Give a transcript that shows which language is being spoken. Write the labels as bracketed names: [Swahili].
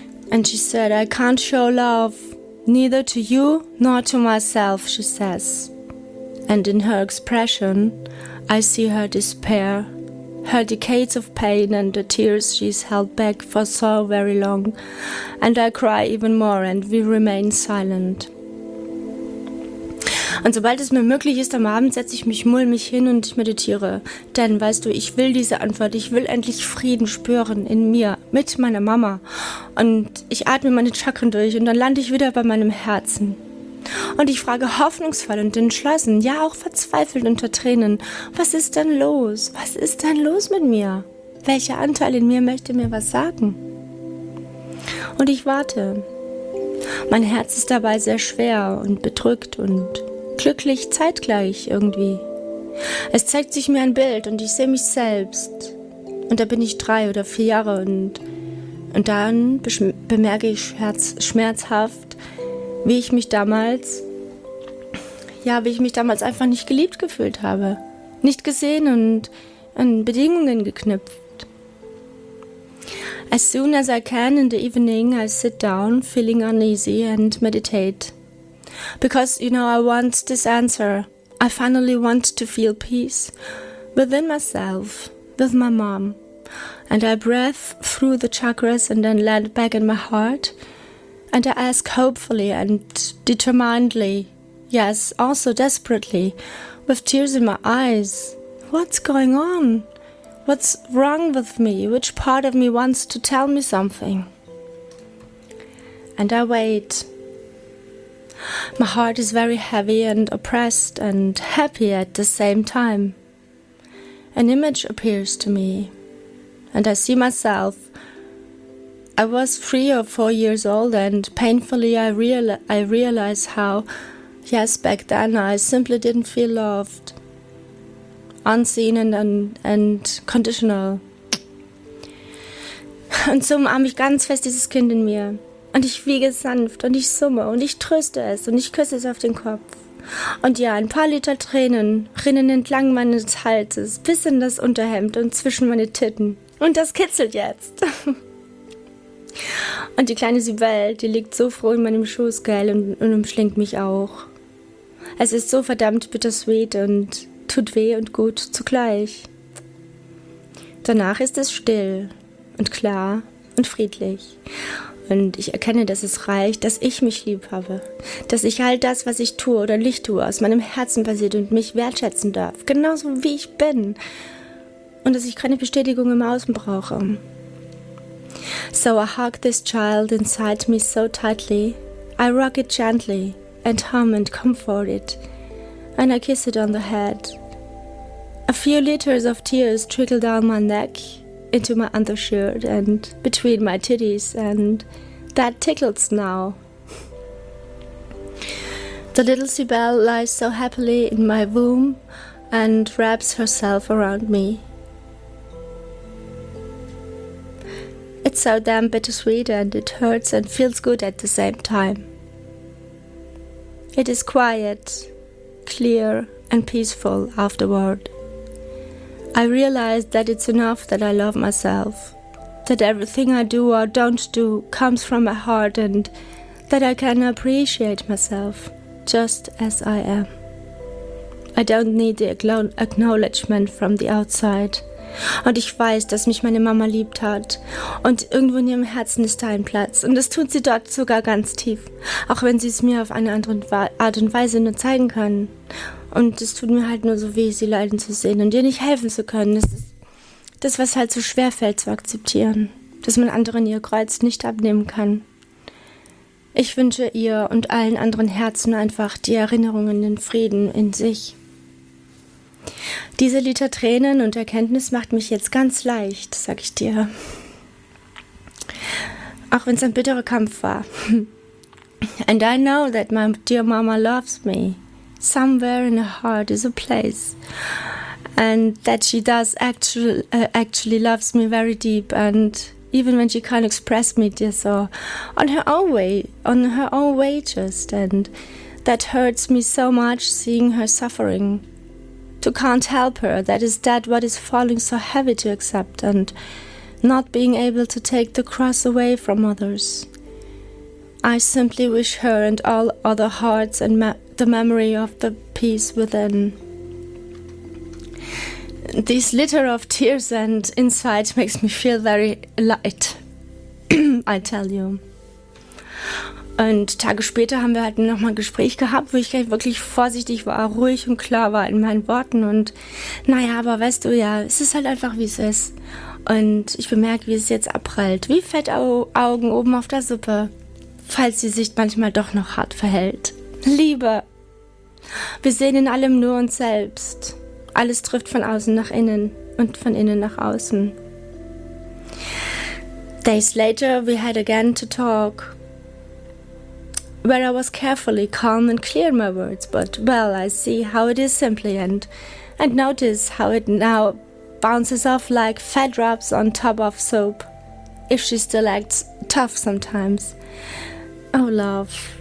[English] And she said, I can't show love, neither to you nor to myself, she says. And in her expression, I see her despair, her decades of pain and the tears she's held back for so very long. And I cry even more and we remain silent. [German] Und sobald es mir möglich ist, am Abend setze ich mich mulmig hin und meditiere. Denn, weißt du, ich will diese Antwort. Ich will endlich Frieden spüren in mir, mit meiner Mama. Und ich atme meine Chakren durch und dann lande ich wieder bei meinem Herzen. Und ich frage hoffnungsvoll und entschlossen, ja auch verzweifelt unter Tränen, was ist denn los? Was ist denn los mit mir? Welcher Anteil in mir möchte mir was sagen? Und ich warte. Mein Herz ist dabei sehr schwer und bedrückt und glücklich zeitgleich irgendwie. Es zeigt sich mir ein Bild und ich sehe mich selbst. Und da bin ich 3 oder 4 Jahre und dann bemerke ich schmerzhaft, wie ich mich damals einfach nicht geliebt gefühlt habe. Nicht gesehen und an Bedingungen geknüpft. [English] As soon as I can in the evening, I sit down, feeling uneasy and meditate. Because, you know, I want this answer. I finally want to feel peace within myself, with my mom. And I breathe through the chakras and then land back in my heart. And I ask hopefully and determinedly, yes, also desperately, with tears in my eyes, what's going on? What's wrong with me? Which part of me wants to tell me something? And I wait. My heart is very heavy and oppressed and happy at the same time. An image appears to me, and I see myself. I was 3 or 4 years old, and painfully I realize how, yes, back then I simply didn't feel loved, unseen and conditional. [German] Und so umarme ich ganz fest dieses Kind in mir. Und ich wiege sanft und ich summe und ich tröste es und ich küsse es auf den Kopf. Und ja, ein paar Liter Tränen rinnen entlang meines Halses bis in das Unterhemd und zwischen meine Titten. Und das kitzelt jetzt. Und die kleine Sibel, die liegt so froh in meinem Schoß, gell, und umschlingt mich auch. Es ist so verdammt bittersweet und tut weh und gut zugleich. Danach ist es still und klar und friedlich. Und ich erkenne, dass es reicht, dass ich mich lieb habe. Dass ich all das, was ich tue oder nicht tue, aus meinem Herzen passiert und mich wertschätzen darf. Genauso wie ich bin. Und dass ich keine Bestätigung im Außen brauche. [English] So I hug this child inside me so tightly. I rock it gently and hum and comfort it. And I kiss it on the head. A few liters of tears trickle down my neck, into my undershirt and between my titties, and that tickles now. The little Sibel lies so happily in my womb and wraps herself around me. It's so damn bittersweet and it hurts and feels good at the same time. It is quiet, clear and peaceful afterward. I realize that it's enough that I love myself, that everything I do or don't do comes from my heart, and that I can appreciate myself just as I am. I don't need the acknowledgement from the outside. [German] Und ich weiß, dass mich meine Mama liebt hat. Und irgendwo in ihrem Herzen ist da ein Platz. Und das tut sie dort sogar ganz tief. Auch wenn sie es mir auf eine andere Art und Weise nur zeigen kann. Und es tut mir halt nur so weh, sie leiden zu sehen und ihr nicht helfen zu können. Das ist das, was halt so schwer fällt zu akzeptieren, dass man anderen ihr Kreuz nicht abnehmen kann. Ich wünsche ihr und allen anderen Herzen einfach die Erinnerungen, den Frieden in sich. Diese Liter Tränen und Erkenntnis macht mich jetzt ganz leicht, sag ich dir. Auch wenn es ein bitterer Kampf war. [English] And I know that my dear mama loves me. Somewhere in her heart is a place. and that she does actually loves me very deep, and even when she can't express me this or on her own way just, and that hurts me so much seeing her suffering, to can't help her, that is that what is falling so heavy to accept, and not being able to take the cross away from others. I simply wish her and all other hearts and the memory of the peace within. This litter of tears and insight makes me feel very light, I tell you. [German] Und Tage später haben wir halt nochmal ein Gespräch gehabt, wo ich wirklich vorsichtig war, ruhig und klar war in meinen Worten. Und naja, aber weißt du ja, es ist halt einfach, wie es ist. Und ich bemerke, wie es jetzt abprallt, wie Fettaugen oben auf der Suppe, falls sie sich manchmal doch noch hart verhält. Liebe, wir sehen in allem nur uns selbst. Alles trifft von außen nach innen und von innen nach außen. [English] Days later, we had again to talk, where I was carefully calm and clear in my words, but well, I see how it is simply, and notice how it now bounces off like fat drops on top of soap, if she still acts tough sometimes. Oh, love.